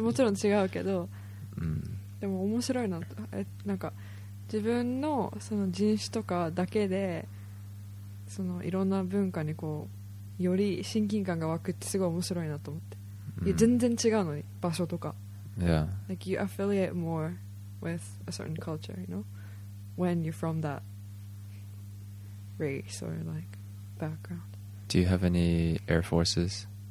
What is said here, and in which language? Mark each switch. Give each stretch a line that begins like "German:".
Japanese: もちろん違うけど、でも面白いな。なんか自分のその人種とかだけで、そのいろんな文化にこうより親近感が湧くってすごい面白いなと思って。全然違うのに場所とか。
English: Yeah. Like you affiliate more with a certain culture, you know, when you're from that race or like background. Do you have any air forces?